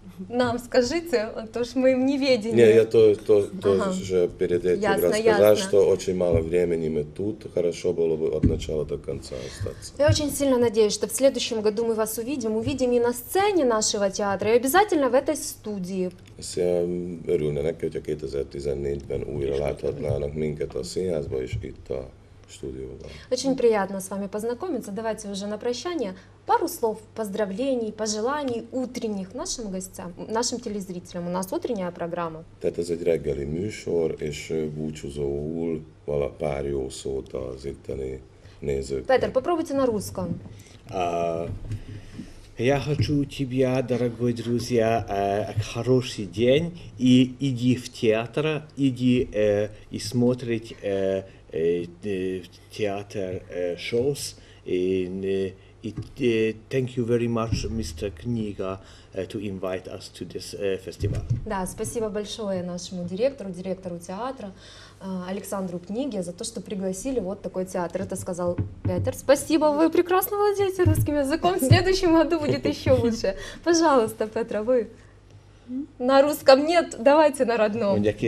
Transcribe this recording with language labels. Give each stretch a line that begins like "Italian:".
Russian: Нам скажите, то что мы в неведении. Не, я тоже перед этим рассказал, что очень мало времени мы тут, хорошо было бы от начала до конца остаться. Я очень сильно надеюсь, что в следующем году мы вас увидим, увидим и на сцене нашего театра, и обязательно в этой студии.
Hungarian: Szóval örülnének, hogyha 2014-ben újra láthatnának minket a színházba és itt a stúdióban.
Russian: Очень приятно с вами познакомиться. Давайте уже на прощание. Пару слов поздравлений, пожеланий утренних нашим гостям, нашим телезрителям. У нас утренняя программа.
Hungarian: Tehát ez egy reggeli műsor, és búcsúzóul vala pár jó szót az itteni nézőknek.
Russian: Петер, попробуйте на русском. Я хочу у тебя, дорогой друзья, хороший день, и иди в театр, иди и смотреть театр
English: шоус. Thank you very much, Mr. Книга, to invite us to this festival.
Russian: Да, спасибо большое нашему директору, директору театра Александру Книге за то, что пригласили вот такой театр. Это сказал Петер. Спасибо, вы прекрасно владеете русским языком. В следующем году будет еще лучше. Пожалуйста, Петра, вы на русском нет, давайте на родном.